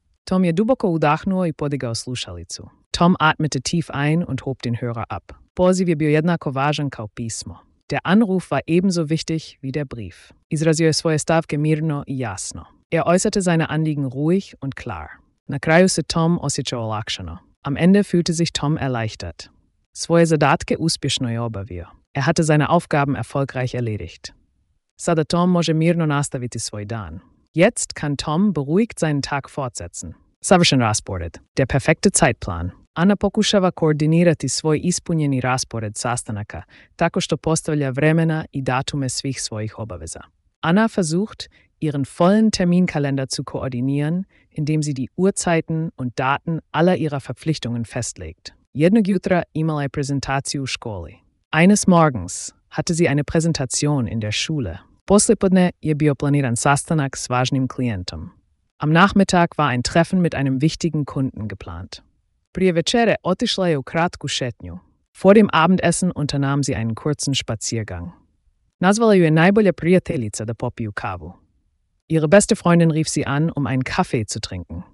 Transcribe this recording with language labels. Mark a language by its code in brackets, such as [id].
[hr] Tom je duboko udahnuo i podigao slušalicu. [de] Tom atmete tief ein und hob den Hörer ab. [hr] Poziv je bio jednako važan kao pismo. [de] Der Anruf war ebenso wichtig wie der Brief. [hr] Izrazio je svoje stavke mirno i jasno. [de] Er äußerte seine Anliegen ruhig und klar. [hr] Na kraju se Tom osjećao olakšano. [de] Am Ende fühlte sich Tom erleichtert. [hr] Svoje zadatke uspješno je obavio. [de] Er hatte seine Aufgaben erfolgreich erledigt. [hr] Sada Tom može mirno nastaviti svoj dan. [de] Jetzt kann Tom beruhigt seinen Tag fortsetzen. [hr] Savršen raspored. [de] Der perfekte Zeitplan. [hr] Anna pokušava koordinirati svoj ispunjeni raspored sastanaka, tako što postavlja vremena i datume svih svojih obaveza. [de] Anna versucht, ihren vollen Terminkalender zu koordinieren, indem sie die Uhrzeiten und Daten aller ihrer Verpflichtungen festlegt. [hr] Jednog jutra imala je prezentaciju u školi. [de] Eines Morgens hatte sie eine Präsentation in der Schule. [hr] Poslijepodne je bio planiran sastanak s važnim klijentom. [de] Am Nachmittag war ein Treffen mit einem wichtigen Kunden geplant. [hr] Prije večere otišla je u kratku šetnju. [de] Vor dem Abendessen unternahm sie einen kurzen Spaziergang. [hr] Nazvala ju je najbolja prijateljica da popiju kavu. [de] Ihre beste Freundin rief sie an, um einen Kaffee zu trinken.